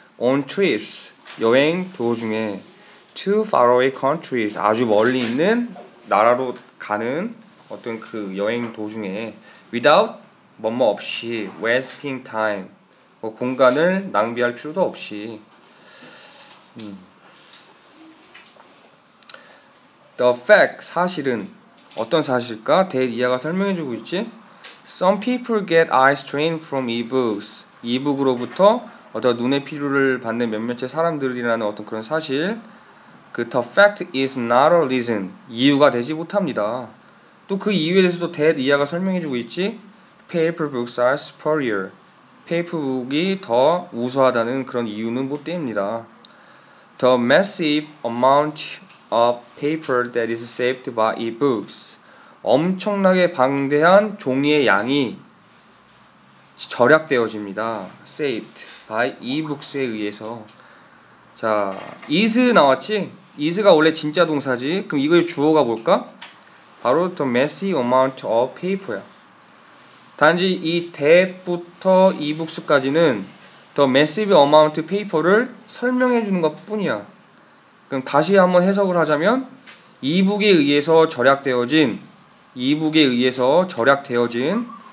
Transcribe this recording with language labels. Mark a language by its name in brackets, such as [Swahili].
[English] On trips, [Korean] 여행 도중에 [English] To faraway countries, [Korean] 아주 멀리 있는 나라로 가는 어떤 그 여행 도중에 Without, 뭐뭐 없이 [English] Wasting time, [Korean] 뭐 공간을 낭비할 필요도 없이 [English] The fact, [Korean] 사실은 어떤 사실일까? 대리아가 설명해주고 있지? [English] Some people get eye strain from e-books. [Korean] e-book으로부터 어떤 눈의 피로를 받는 몇몇의 사람들이라는 어떤 그런 사실. [English] 그 the fact is not a reason. [Korean] 이유가 되지 못합니다. 또 그 이유에 대해서도 that 이하가 설명해주고 있지. [English] Paper books are superior. [Korean] 페이퍼북이 더 우수하다는 그런 이유는 못 됩니다. [English] The massive amount of paper that is saved by e-books. [Korean] 엄청나게 방대한 종이의 양이 절약되어집니다. [English] Saved by e-books [Korean] 에 의해서 자, is 나왔지? is가 원래 진짜 동사지? 그럼 이걸 주어가 볼까? 바로 [English] the massive amount of paper [Korean] 야 단지 이 that부터 e-books까지는 the massive amount of paper를 설명해주는 것 뿐이야 그럼 다시 한번 해석을 하자면 e-book에 의해서 절약되어진 이북에 의해서 절약되어진